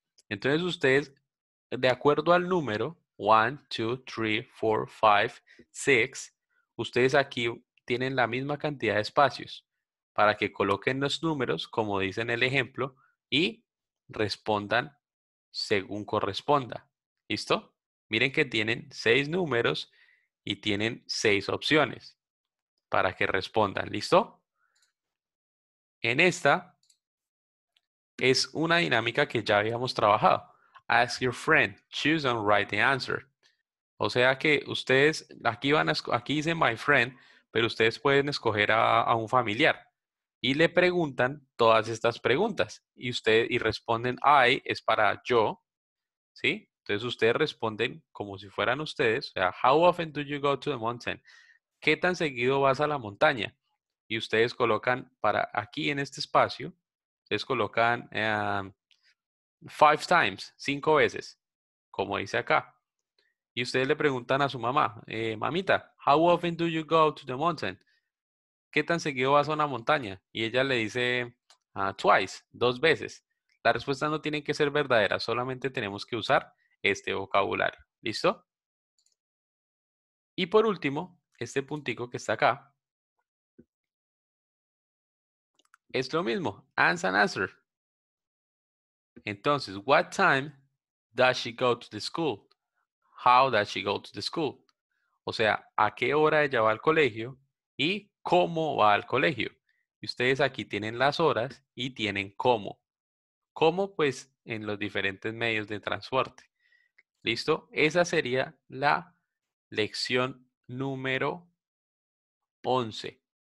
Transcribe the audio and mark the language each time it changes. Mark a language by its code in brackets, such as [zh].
[es] Entonces ustedes, de acuerdo al número, 1, 2, 3, 4, 5, 6, ustedes aquí tienen la misma cantidad de espacios para que coloquen los números, como dice en el ejemplo, y respondan según corresponda. ¿Listo? Miren que tienen 6 números y tienen 6 opciones para que respondan. ¿Listo? En esta, es una dinámica que ya habíamos trabajado. [en] Ask your friend, choose and write the answer. [es] O sea que ustedes, aquí dice [en] my friend, [es] pero ustedes pueden escoger a un familiar. Y le preguntan todas estas preguntas. Y responden, I es para yo. ¿Sí? Entonces ustedes responden como si fueran ustedes. O sea, [en] how often do you go to the mountain? [es] ¿Qué tan seguido vas a la montaña? Y ustedes colocan para aquí en este espacio. Ustedes colocan [en] 5 times, [es] 5 veces. Como dice acá. Y ustedes le preguntan a su mamá, mamita, [en] how often do you go to the mountain? [es] ¿Qué tan seguido vas a una montaña? Y ella le dice, twice, 2 veces. La respuesta no tiene que ser verdadera, solamente tenemos que usar este vocabulario. ¿Listo? Y por último, este puntico que está acá. Es lo mismo, [en] ask and answer. [es] Entonces, [en] what time does she go to the school? How does she go to the school? [es] O sea, ¿a qué hora ella va al colegio? Y ¿cómo va al colegio? Y ustedes aquí tienen las horas y tienen cómo. ¿Cómo? Pues en los diferentes medios de transporte. ¿Listo? Esa sería la lección número 11.